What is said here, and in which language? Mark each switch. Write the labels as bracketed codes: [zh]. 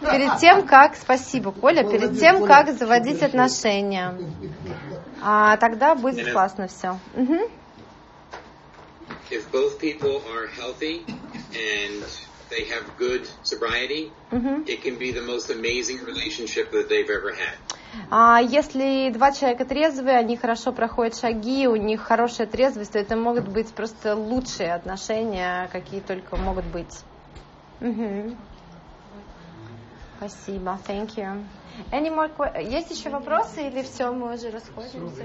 [ru] перед тем, как заводить отношения. А тогда будет классно все. [en] If both people are healthy and they have good sobriety, it can be the most amazing relationship that they've ever had. [ru] Если два человека трезвые, они хорошо проходят шаги, у них хорошая трезвость, то это могут быть просто лучшие отношения, какие только могут быть. Спасибо. [en] Thank you. Any more questions? [ru] Есть еще вопросы или все, мы уже расходимся,